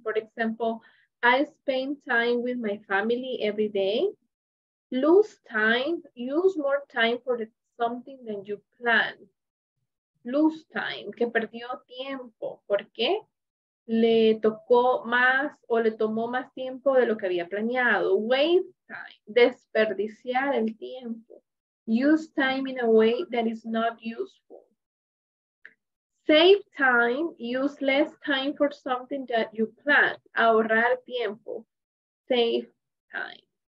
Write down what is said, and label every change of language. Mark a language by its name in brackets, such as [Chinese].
[English] For example, I spend time with my family every day. Lose time, use more time for something than you plan. [Spanish] Lose time, que perdió tiempo. ¿Por qué? Le tocó más o le tomó más tiempo de lo que había planeado. Waste time, desperdiciar el tiempo. [English] Use time in a way that is not useful. Save time, use less time for something that you plan. [Spanish] Ahorrar tiempo, save time.